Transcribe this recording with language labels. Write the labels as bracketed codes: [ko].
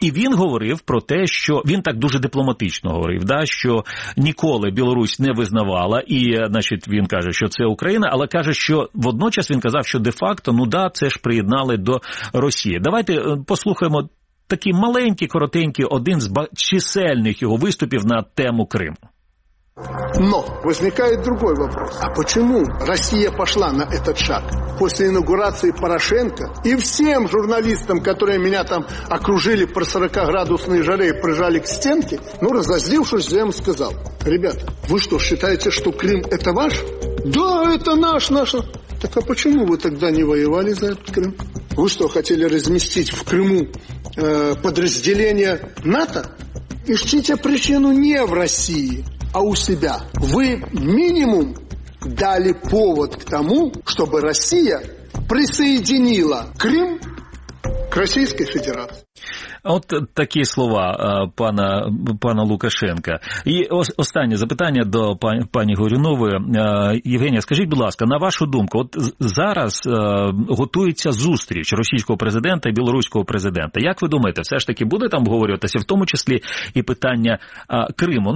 [uk] І він говорив про те, що він так дуже дипломатично говорив, да, що ніколи Білорусь не визнавала, і значить, він каже, що це Україна, але каже, що водночас він казав, що де-факто, ну да, це ж приєднали до Росії. Давайте послухаємо такий маленький, коротенький, один з чисельних його виступів на тему Криму. [ru] Но возникает другой вопрос. А почему Россия пошла на этот шаг после инаугурации Порошенко? И всем журналистам, которые меня там окружили при 40-градусной жаре и прижали к стенке, ну, разозлившись, я им сказал: ребята, вы что, считаете, что Крым – это ваш? Да, это наш, наш. Так а почему вы тогда не воевали за этот Крым? Вы что, хотели разместить в Крыму подразделение НАТО? Ищите причину не в России, а у себя. Вы минимум дали повод к тому, чтобы Россия присоединила Крым к Российской Федерации. [uk] От такі слова пана Лукашенка. І останнє запитання до пані Горюнової. Євгенія, скажіть, будь ласка, на вашу думку, от зараз готується зустріч російського президента і білоруського президента. Як ви думаєте, все ж таки буде там обговорюватися, в тому числі і питання Криму?